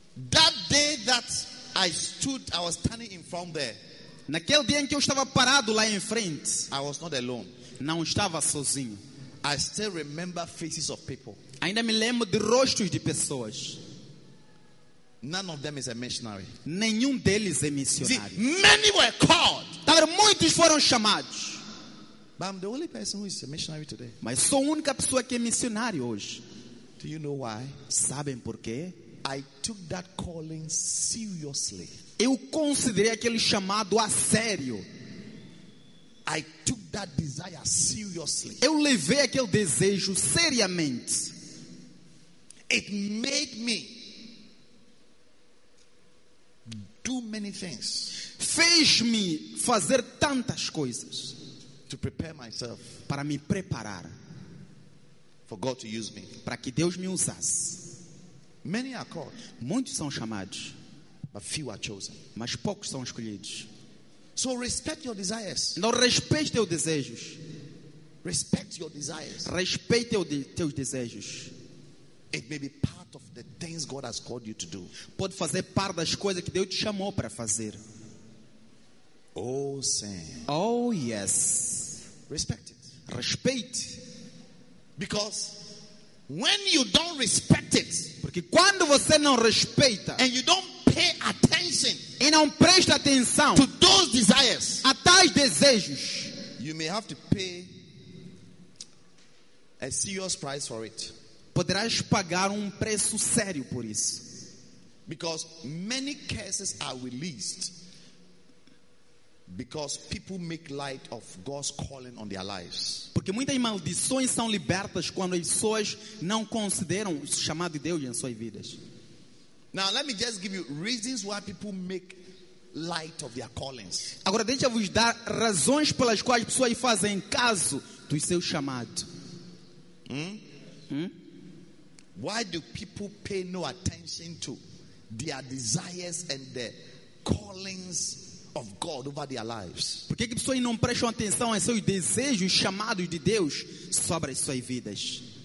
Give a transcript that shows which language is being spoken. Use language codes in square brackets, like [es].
[en] That day that I stood, I was standing in front there. [pt] Naquele dia em que eu estava parado lá em frente, [en] I was not alone. [pt] Não estava sozinho. [en] I still remember faces of people. [pt] Ainda me lembro de rostos de pessoas. [en] None of them is a missionary. [pt] Nenhum deles é missionário. [en] See, many were called. [pt] Talvez muitos foram chamados. [en] But I'm the only person who is a missionary today. [pt] Mas sou a única pessoa que é missionário hoje. [en] Do you know why? [pt] Sabem por quê? [en] I took that calling seriously. [pt] Eu considerei aquele chamado a sério. [en] I took that desire seriously. [pt] Eu levei aquele desejo seriamente. [en] It made me too many things. [pt] Fez-me fazer tantas coisas. [en] To prepare myself. [pt] Para me preparar. [en] For God to use me. [pt] Para que Deus me usasse. [en] Many are called. [pt] Muitos são chamados. [en] But few are chosen. [pt] Mas poucos são escolhidos. [en] So respect your desires. [pt] Não respeite teus desejos. [en] Respect your desires. [pt] Respeite teus desejos. [en] It may be part of the things God has called you to do. [pt] Pode fazer parte das coisas que Deus te chamou para fazer. [en] Oh, Sam. Oh, yes. Respect it. [pt] Respeite. [en] Because when you don't respect it, [pt] porque quando você não respeita, [en] and you don't pay attention, [pt] e não presta atenção, [en] to those desires, [pt] a tais desejos, [en] you may have to pay a serious price for it. [pt] Poderás pagar preço sério por isso. [en] Because many curses are released because people make light of God's calling on their lives. [pt] Porque muitas maldições são libertas quando as pessoas não consideram o chamado de Deus em suas vidas. [en] Now let me just give you reasons why people make light of their callings. [pt] Agora deixa-vos dar razões pelas quais as pessoas fazem caso do seu chamado. [en] Why do people pay no attention to their desires and the callings of God over their lives? [pt] Por que pessoas não prestam atenção aos seus desejos chamados de Deus sobre as suas vidas?